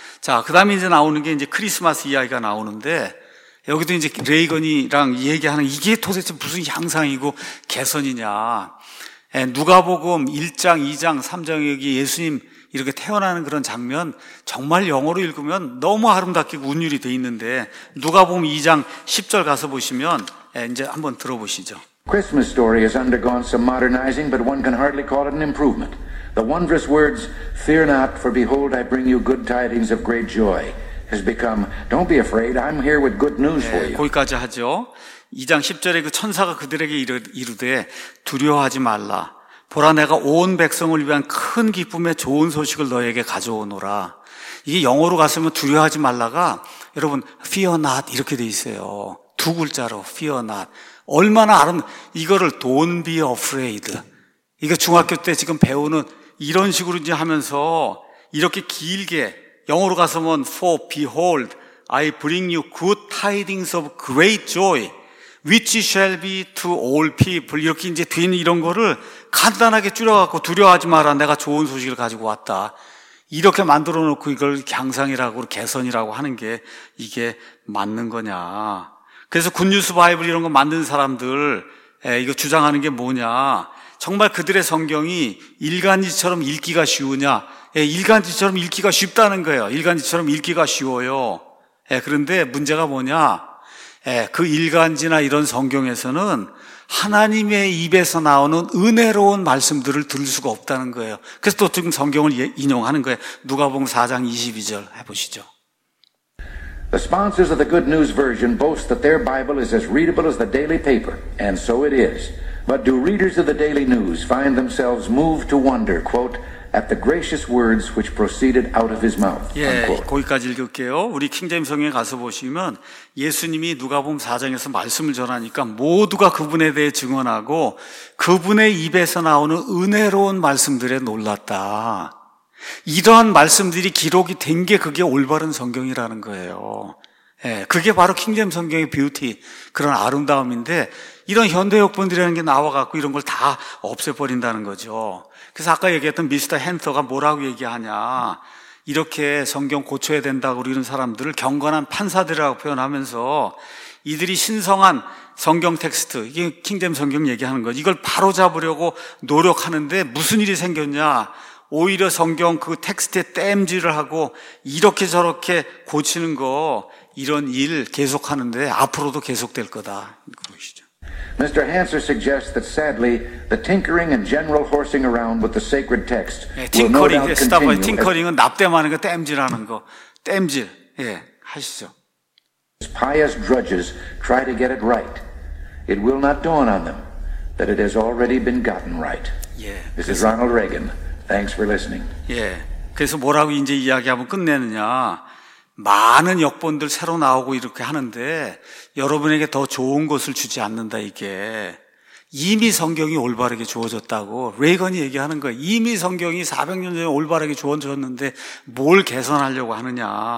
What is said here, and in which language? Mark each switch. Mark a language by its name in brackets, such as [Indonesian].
[Korean] 자, 그 다음에 이제 나오는 게 이제 크리스마스 이야기가 나오는데 여기도 이제 레이건이랑 얘기하는 이게 도대체 무슨 향상이고 개선이냐. 누가복음 1장, 2장, 3장 여기 예수님 이렇게 태어나는 그런 장면 정말 영어로 읽으면 너무 아름답게 운율이 돼 있는데 누가복음 2장 10절 가서 보시면 이제 한번 들어보시죠. [English] Christmas story has undergone some modernizing, but one can hardly call it an improvement. The wondrous words, Fear not, for behold, I bring you good tidings of great joy, has become, Don't be afraid, I'm here with good news for you. [Korean] 네, 거기까지 하죠. 2장 10절에 그 천사가 그들에게 이르되, 두려워하지 말라. 보라, 내가 온 백성을 위한 큰 기쁨의 좋은 소식을 너에게 가져오노라. 이게 영어로 갔으면 두려워하지 말라가, 여러분, [English] fear not [Korean] 이렇게 돼 있어요. 두 글자로 [English] fear not. [Korean] 얼마나 아름다운, 이거를 [English] don't be afraid. [Korean] 이거 중학교 때 지금 배우는 이런 식으로 이제 하면서 이렇게 길게 영어로 가서면 [English] for behold, I bring you good tidings of great joy, which shall be to all people. [Korean] 이렇게 이제 된 이런 거를 간단하게 줄여갖고 두려워하지 마라. 내가 좋은 소식을 가지고 왔다. 이렇게 만들어 놓고 이걸 향상이라고, 개선이라고 하는 게 이게 맞는 거냐. 그래서 굿뉴스 바이블 이런 거 만든 사람들, 이거 주장하는 게 뭐냐. 정말 그들의 성경이 일간지처럼 읽기가 쉬우냐. 일간지처럼 읽기가 쉽다는 거예요. 일간지처럼 읽기가 쉬워요. 그런데 문제가 뭐냐. 그 일간지나 이런 성경에서는 하나님의 입에서 나오는 은혜로운 말씀들을 들을 수가 없다는 거예요. 그래서 또 지금 성경을 인용하는 거예요. 누가복음 4장 22절 해보시죠. [English] The sponsors of the Good News Version boast that their Bible is as readable as the daily paper, and so it is. But do readers of the daily news find themselves moved to wonder, quote, at the gracious words which proceeded out of his mouth, unquote. [Korean] 예, 거기까지 읽을게요. 우리 킹제임 성경에 가서 보시면 예수님이 누가복음 4장에서 말씀을 전하니까 모두가 그분에 대해 증언하고 그분의 입에서 나오는 은혜로운 말씀들에 놀랐다. 이러한 말씀들이 기록이 된 게 그게 올바른 성경이라는 거예요. 예, 그게 바로 킹제임 성경의 뷰티, 그런 아름다움인데 이런 현대역본들이라는 게 나와갖고 이런 걸 다 없애버린다는 거죠. 그래서 아까 얘기했던 미스터 헨터가 뭐라고 얘기하냐. 이렇게 성경 고쳐야 된다고 이런 사람들을 경건한 판사들이라고 표현하면서 이들이 신성한 성경 텍스트, 이게 킹제임 성경 얘기하는 거죠. 이걸 바로잡으려고 노력하는데 무슨 일이 생겼냐. 오히려 성경 그 텍스트에 땜질을 하고 이렇게 저렇게 고치는 거, 이런 일 계속하는데 앞으로도 계속될 거다. 보시죠. [English] Mr. Hanser suggests that sadly the tinkering and general horsing around with the sacred text. [Korean] 네, 팅커링, 스타버, 팅커링은 납땜하는 거, 땜질하는 거. 땜질. 예, 네, 하시죠. [English] Pious drudges try to get it right. It will not dawn on them that it has already been gotten right. [Korean] 예. [English] This is Ronald Reagan. Thanks for listening. [Korean] 예. 그래서 뭐라고 이제 이야기하면 끝내느냐? 많은 역본들 새로 나오고 이렇게 하는데 여러분에게 더 좋은 것을 주지 않는다. 이게 이미 성경이 올바르게 주어졌다고 레이건이 얘기하는 거예요. 이미 성경이 400년 전에 올바르게 주어졌는데 뭘 개선하려고 하느냐.